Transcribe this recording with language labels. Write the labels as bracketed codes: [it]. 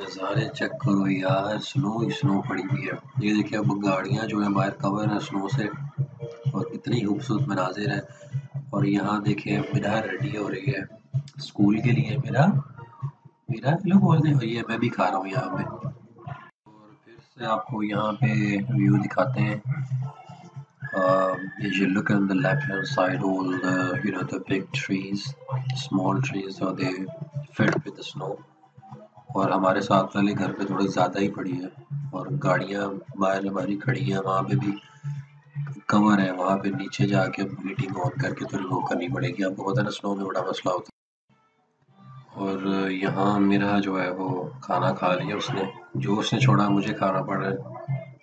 [hi] नज़ारे चेक करो यार, स्नो ही स्नो पड़ी हुई है। ये देखिए अब गाड़ियाँ जो है बाहर कवर है स्नो से, और कितनी खूबसूरत मनाजिर है। और यहाँ देखिए मेरा रेडी हो रही है स्कूल के लिए, मेरा मेरा लोग बोल रहे हो, ये मैं भी खा रहा हूँ यहाँ पे। और फिर से आपको यहाँ पे व्यू दिखाते हैं। [en] As you look on the left hand side, all the you know the big trees, small trees, so they filled with the snow. [hi] और हमारे साथ वाले घर पे थोड़ी ज़्यादा ही पड़ी है, और गाड़ियाँ बाहर हमारी खड़ी हैं, वहाँ पे भी कवर है, वहाँ पे नीचे जाके अब हीटिंग ऑन करके तो रिमूव करनी पड़ेगी। आपको पता ना स्नो में बड़ा मसला होता है। और यहाँ मेरा जो है वो खाना खा लिया उसने, जो उसने छोड़ा मुझे खाना पड़ रहा है।